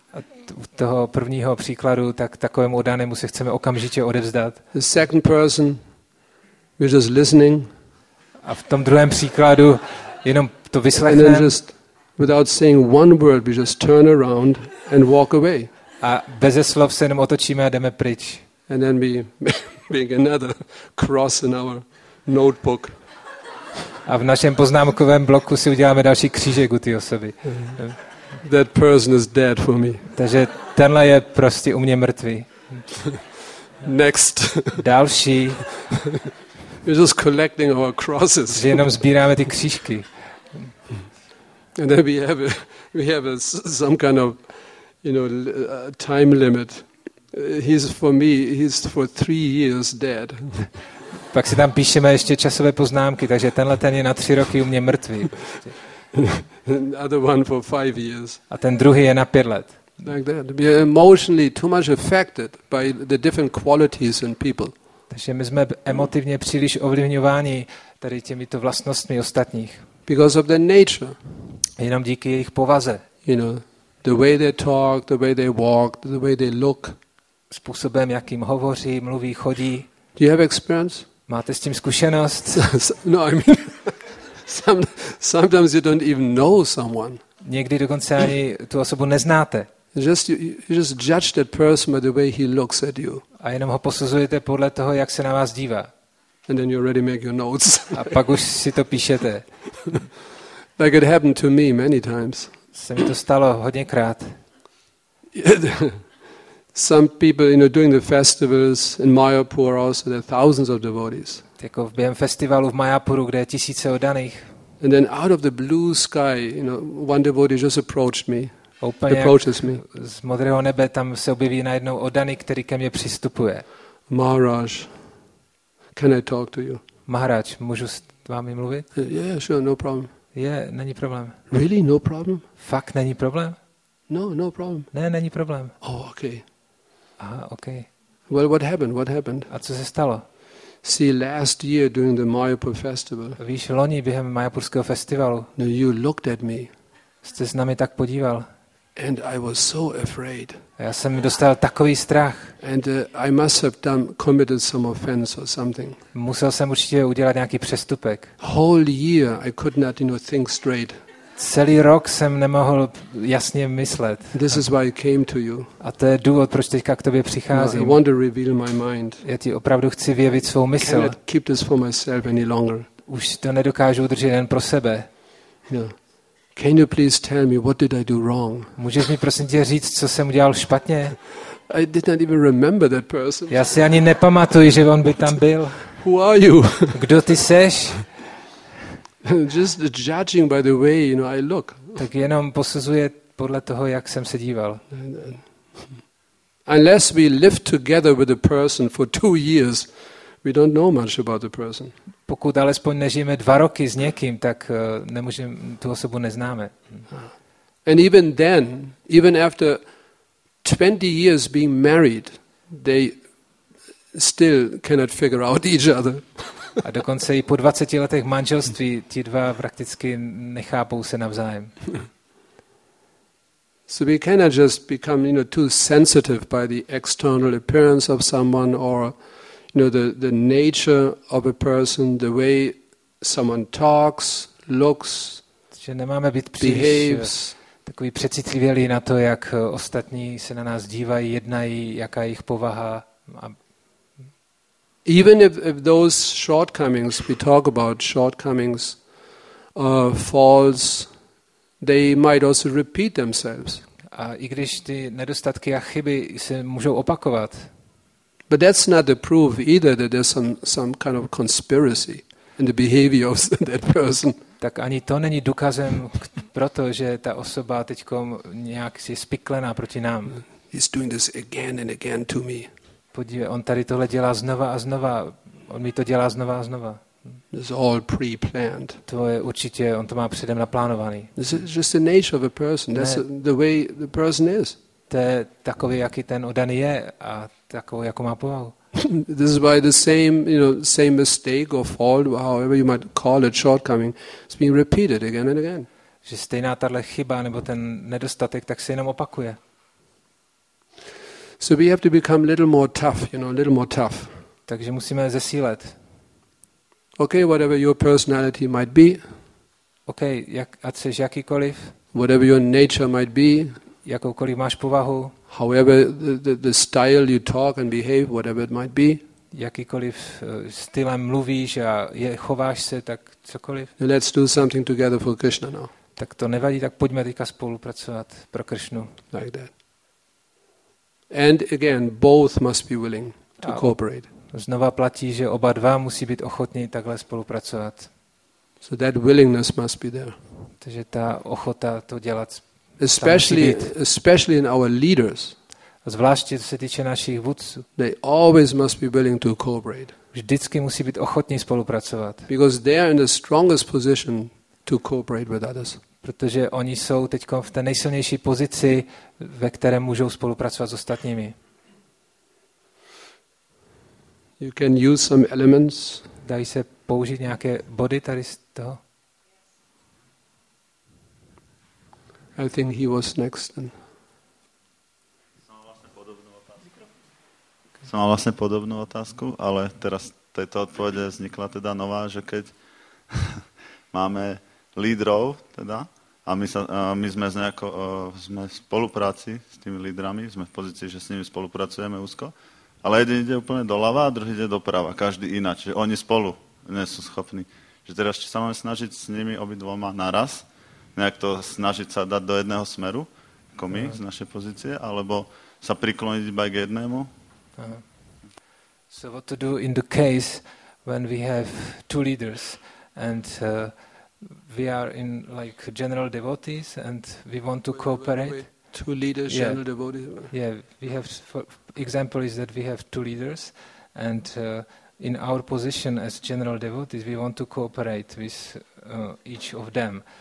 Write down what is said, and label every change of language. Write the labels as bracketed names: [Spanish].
[Czech] A toho prvního příkladu, tak takovému oddanému se chceme okamžitě odevzdat. [English] The second person, we're just listening. [Czech] A v tom druhém příkladu jenom to vyslechneme. [English] And then just without saying one word, we just turn around and walk away. [Czech] A bez slov se jenom otočíme a jdeme pryč. [English] And then we make another cross in our notebook. [Czech] A v našem poznámkovém bloku si uděláme další křížek u té osoby. [English] That person is dead for me. [Czech] Takže tenhle je prostě u mě mrtvý. [English] Next. [Czech] Další. [English] We're just collecting our crosses. [Czech] Že jenom sbíráme ty křížky. [English] And then we have a some kind of, you know, time limit. He's for 3 years dead. [Czech] Pak si tam píšeme ještě časové poznámky, takže tenhle ten je na 3 roky u mě mrtvý. [English] Another one for 5 years. [Czech] A ten druhý je na 5 let. [English] Like that. We are emotionally too much affected by the different qualities in people. [Czech] Takže my jsme emotivně příliš ovlivňováni tady těmito vlastnostmi ostatních. [English] Because of their nature. [Czech] Jenom díky jejich povaze. [English] You know, the way they talk, the way they walk, the way they look. [Czech] Způsobem, jakým hovoří, mluví, chodí. [English] Do you have experience? [Czech] Máte s tím zkušenost? [English] No, I mean, sometimes you don't even know someone. [Czech] Někdy dokonce ani tu osobu neznáte. [English] Just judge that person by the way he looks at you. [Czech] A jenom ho posuzujete podle toho, jak se na vás dívá. [English] And then you already make your notes. [Czech] A pak už si to píšete. [English] Like it happened to me many times. [Czech] Se mi to stalo hodněkrát. [English] Some people, you know, doing the festivals in Mayapur, also there are thousands of devotees. [Czech] Jako během festivalu v Mayapuru, kde je tisíce oddaných. [English] And then out of the blue sky, you know, one devotee just approached me. [Czech] úplně [English] approaches me. [Czech] Z modrého nebe tam se objeví najednou oddaný, který ke mně přistupuje. [English] Maharaj, can I talk to you? [Czech] Maharaj, můžu s vámi mluvit? [English] Yeah, sure, no problem. [Czech] Yeah, není problém. [English] Really, no problem? [Czech] Fakt není problém? [English] No, no problem. [Czech] Ne, není problém. [English] Oh, okay. [Czech] Aha, okay. [English] Well, what happened? What happened? [Czech] A co se stalo? [English] See, last year during the Mayapur festival. [Czech] Víš, loni během Mayapurského festivalu. [English] No, you looked at me. [Czech] Jste s námi tak podíval. [English] And I was so afraid. [Czech] Já jsem dostal takový strach. [English] And I must have done committed some offense or something. [Czech] Musel jsem určitě udělat nějaký přestupek. [English] Whole year I could not, you know, think straight. [Czech] Celý rok jsem nemohl jasně myslet. [English] This is why I came to you. [Czech] A to je důvod, proč teďka k tobě přicházím. [English] No, I want to reveal my mind. [Czech] Já ti opravdu chci vyjevit svou mysl. [English] I cannot keep this for myself any longer. [Czech] Už to nedokážu udržet jen pro sebe. [English] No. Can you please tell me what did I do wrong? [Czech] Můžeš mi prosím tě říct, co jsem udělal špatně? [English] I did not even remember that person. [Czech] Já si ani nepamatuji, že on by tam byl. [English] Who are you? [Czech] Kdo ty seš? [English] Just judging by the way, you know, I look. [Czech] Tak jenom posuzuje podle toho, jak jsem se díval. [English] Unless we live together with a person for 2 years, we don't know much about the person. [Czech] Pokud alespoň nežijeme 2 roky s někým, tak nemůžeme, tu osobu neznáme. [English] And even then, even after 20 years being married, they still cannot figure out each other. [Czech] A dokonce i po 20 letech manželství ti dva prakticky nechápou se navzájem. [English] So we cannot just become, you know, too sensitive by the external appearance of someone or, you know, the nature of a person, the way someone talks, looks, [Czech] že nemáme být příliš [English] behaves, [Czech] takový přecitlivělý na to, jak ostatní se na nás dívají, jednají, jaká je jejich povaha. A [English] even if those shortcomings we talk about, shortcomings, faults, they might also repeat themselves. [Czech] A i když ty nedostatky a chyby se můžou opakovat. [English] But that's not the proof either that there's some kind of conspiracy in the behavior of that person. [Czech] Tak ani to není důkazem pro to, že ta osoba teďko nějak je spiklená proti nám. [English] He's doing this again and again to me. [Czech] Podívej, on tady tohle dělá znova a znova. On mi to dělá znova a znova. [English] It's all pre-planned. [Czech] To je určitě, on to má předem naplánovaný. [English] It's just the nature of a person. That's the way the person is. [Czech] To je takový, jaký ten oddaný je a takový, jako má povahu. [English] This is why the same, you know, same mistake or fault, however you might call it, shortcoming, is being repeated again and again. [Czech] Že stejná tahle chyba nebo ten nedostatek tak se jenom opakuje. [English] So we have to become a little more tough, you know, a little more tough. [Czech] Takže musíme zesílit. [English] Okay, whatever your personality might be. [Czech] Okay, jak ať seš jakýkoliv. [English] Whatever your nature might be. [Czech] Jakoukoliv máš povahu. [English] However the style you talk and behave, whatever it might be. [Czech] Jakýkoliv stylem mluvíš a chováš se, tak cokoliv. [English] Let's do something together for Krishna now. [Czech] Tak to nevadí, tak pojďme teďka spolupracovat pro Krishnu. [English] Like that. And again, both must be willing to cooperate. [Czech] Znova platí, že oba dva musí být ochotní takhle spolupracovat. [English] So that willingness must be there. [Czech] Takže ta ochota to dělat. [English] Especially in our leaders. [Czech] Zvláště co se týče našich vůdců. [English] They always must be willing to cooperate. [Czech] Vždycky musí být ochotní spolupracovat. [English] Because they are in the strongest position to cooperate with others. [Czech] Protože oni jsou teď v té nejsilnější pozici, ve které můžou spolupracovat s ostatními. [English] You can use some elements. [Czech] Dají se použít nějaké body tady z toho? [English] I think he was next. [Czech] Jsem [Slovak] mal vlastně podobnou otázku, ale teraz této odpovědi vznikla teda nová, že keď máme lídrov, teda, a my sme sme v spolupráci s tými lídrami, sme v pozícii, že s nimi spolupracujeme úzko, ale jeden ide úplne doľava a druhý ide doprava, každý ináč, že oni spolu nie sú schopní. Že teraz či sa máme snažiť s nimi obidvoma naraz, nejak to snažiť sa dať do jedného smeru, ako my z našej pozície, alebo sa prikloniť iba k jednému? [English] So what to do in the case when we have two leaders and we are in like general devotees and we want to cooperate. Two leaders, yeah. General devotees. Yeah, we have, for example, is that we have two leaders and in our position as general devotees, we want to cooperate with each of them.